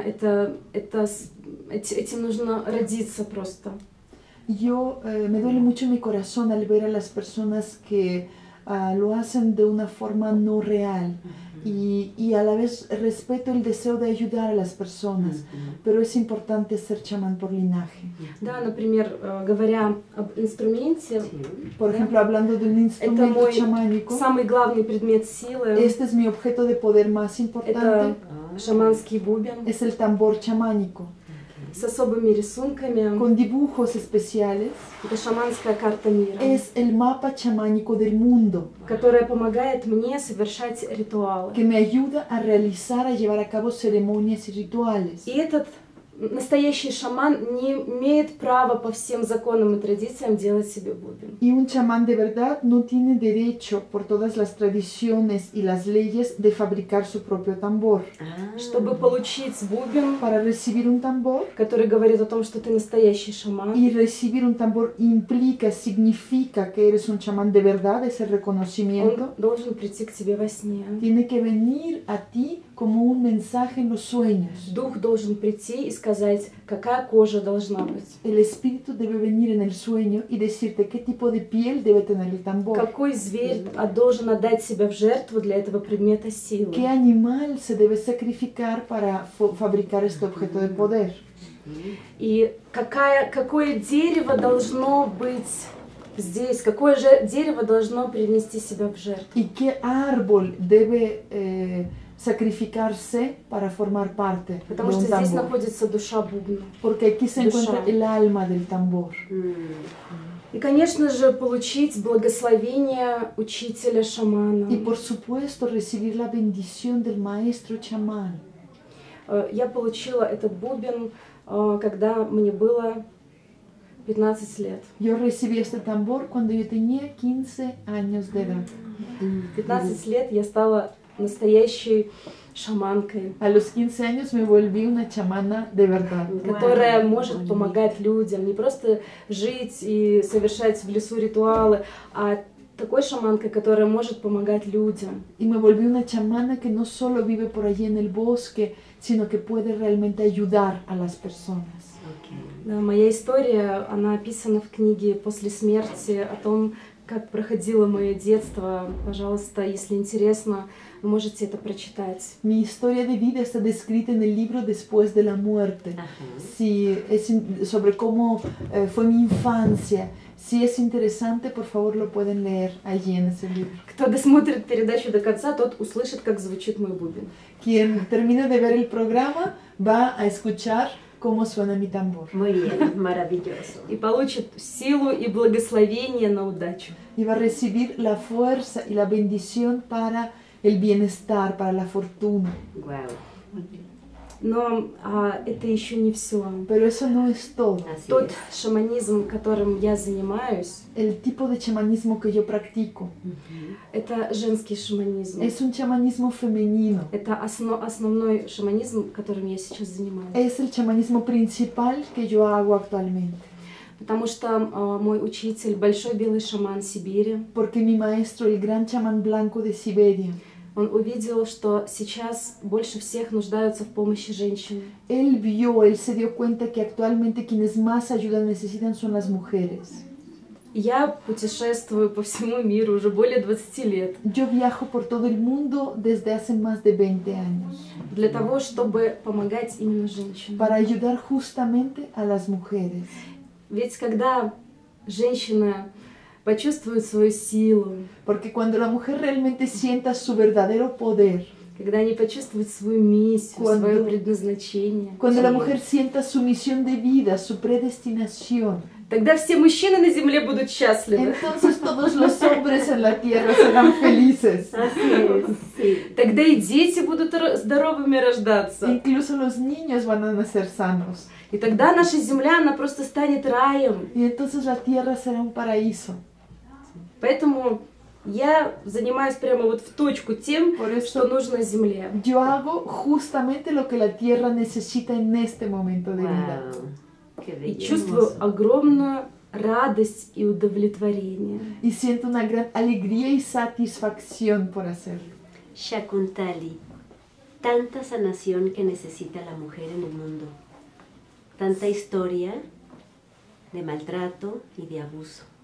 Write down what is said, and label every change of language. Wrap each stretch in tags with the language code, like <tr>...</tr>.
<ru>Это этим нужно родиться просто.</ru> <es>Yo, me duele mucho mi corazón al ver a las personas que lo hacen de una forma no real. Y a la vez respeto el deseo de ayudar a las personas, pero es importante ser chamán por linaje.</es> <ru>Да, например, говоря об инструменте,</ru> <es>por ejemplo, hablando de un instrumento chamánico,</es> <ru>самый главный предмет силы,</ru> <es>este es mi objeto de poder más importante,</es> <ru>это шаманский бубен,</ru> <es>es el tambor chamánico,</es> <ru>с особыми рисунками,</ru> <es>con dibujos especiales,</es> <ru>это шаманская карта мира,</ru> <es>es el mapa chamánico del mundo,</es> <ru>которая помогает мне совершать ритуалы,</ru> <es>que me ayuda a realizar, a llevar a cabo ceremonias y rituales.</es> <ru>И этот настоящий шаман не имеет права по всем законам и традициям делать себе бубен.</ru> <es>Y un chamán de verdad no tiene derecho por todas las tradiciones y las leyes de fabricar su propio tambor.</es> <ru>Чтобы получить бубен,</ru> <es>para recibir un tambor,</es> <ru>который говорит о том, что ты настоящий шаман.</ru> <es>Y recibir un tambor implica, significa que eres un chamán de verdad, ese reconocimiento.</es> <ru>Он должен прийти к тебе во сне.</ru> <es>Tiene que venir a ti como un mensaje en los sueños.</es> <ru>Дух должен прийти и сказать, какая кожа должна быть.</ru> <es>El espíritu debe venir en el sueño y decirte qué tipo de piel debe tener el tambor.</es> <ru>Какой зверь должен отдать себя в жертву для этого предмета силы.</ru> <es>Qué animal se debe sacrificar para fabricar este objeto de poder.</es> <ru>И какое дерево должно быть здесь, какое же дерево должно принести себя в жертву.</ru> <es>И qué árbol debe sacrificarse para formar parte</es> <ru>Потому</ru> <es>de un tambor.</es> <ru>Здесь находится душа бубна.</ru> <es>Porque aquí se encuentra el alma del tambor.</es> <ru>И, конечно же, получить благословение учителя шамана.</ru> <es>Y por supuesto recibir la bendición del maestro chamán.</es> <ru>Я получила этот бубен, когда мне было 15 лет.</ru> <es>Yo recibí este tambor cuando yo tenía 15 años de edad.</es> <ru>15 лет я стала настоящей шаманкой.</ru> <es>A los 15 años me volví una chamana de verdad.</es> <ru>Которая может помогать людям, не просто жить и совершать в лесу ритуалы, а такой шаманкой, которая может помогать людям.</ru> <es>Y me volví una chamana que no solo vive por allí en el bosque, sino que puede realmente ayudar a las personas.</es> <en>Okay.</en> <ru>Да, моя история, она описана в книге «После смерти» о том, как проходило мое детство. Пожалуйста, если интересно, вы можете это прочитать.</ru> <es>Mi historia de vida está descrita en el libro Después de la muerte. Si es sobre cómo fue mi infancia. Si es interesante, por favor, lo pueden leer allí en ese libro.</es> <ru>Кто досмотрит передачу до конца, тот услышит, как звучит мой бубен.</ru> <es>Quien termine de ver el programa va a escuchar cómo suena mi tambor. Muy bien, maravilloso.</es> <ru>Y получит силу и благословение на удачу.</ru> <es>Y va a recibir la fuerza y la bendición para el bienestar, para la fortuna.</es> <en>Wow.</en> <ru>Но это еще не все.</ru> <es>Pero eso no es todo. Así Тот es.</es> <ru>Шаманизм, которым я занимаюсь,</ru> <es>el tipo de chamanismo que yo practico,</es> <ru>это женский шаманизм.</ru> <es>Es un chamanismo femenino.</es> <ru>Это основной шаманизм, которым я сейчас занимаюсь.</ru> <es>Es el chamanismo principal que yo hago actualmente.</es> <ru>Потому что мой учитель, большой белый шаман Сибири,</ru> <es>porque mi maestro, el gran chamán blanco de Siberia,</es> <ru>он увидел, что сейчас больше всех нуждаются в помощи женщин.</ru> <es>Él vio, él se dio cuenta que actualmente quienes más ayuda necesitan son las mujeres.</es> <ru>Я путешествую по всему миру уже более 20 лет.</ru> <es>Yo viajo por todo el mundo desde hace más de 20 años.</es> <ru>Для того, чтобы помогать именно женщинам.</ru> <es>Para ayudar justamente a las mujeres.</es> <ru>Ведь когда женщина почувствует свою силу.</ru> <es>Porque cuando la mujer realmente sienta su verdadero poder.</es> <ru>Когда они почувствуют свою миссию, свое предназначение.</ru> <es>Cuando la mujer sienta su misión de vida, su predestinación.</es> <ru>Тогда все мужчины на земле будут счастливы.</ru> <es>Entonces todos los hombres en la tierra serán felices.</es> <ru>Тогда и дети будут здоровыми рождаться.</ru> <es>Incluso los niños van a nacer sanos.</es> <ru>И тогда наша земля, она просто станет раем.</ru> <es>Y entonces la tierra será un paraíso.</es> <ru>Поэтому я занимаюсь прямо вот в точку тем, что нужно земле.</ru> <es>Yo hago justamente lo que la tierra necesita en este momento de vida.</es> <ru>И чувствую огромную радость и удовлетворение.</ru> <es>И siento una gran alegría y satisfacción por hacerlo. Shakuntali, tanta sanación que necesita la mujer en el mundo. Tanta historia de maltrato y de abuso.</es>